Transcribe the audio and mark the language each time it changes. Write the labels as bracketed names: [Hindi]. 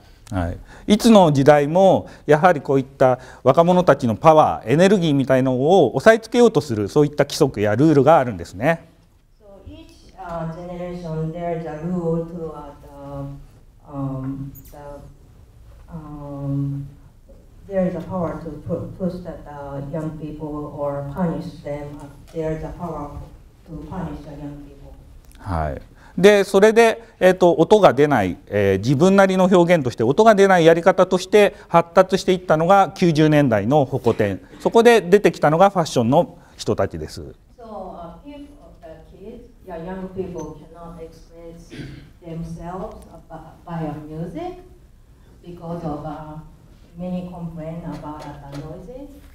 [Japanese] はい、いつの時代もやはりこういった若者たちのパワー、エネルギーみたいのを押さえつけようとする、そういった規則やルールがあるんですね。 [English] So each generation there is a rule to the there is a power to push that the young people or punish them. There is a power to punish the young people. [Japanese] はい。でそれで、音が出ない、自分なりの表現として音が出ないやり方として発達していったのが90年代のホコテン。そこで出てきたのがファッションの人たちです。 [English] So people of the kids, yeah, young people cannot express themselves by music because of many complaints about the noises.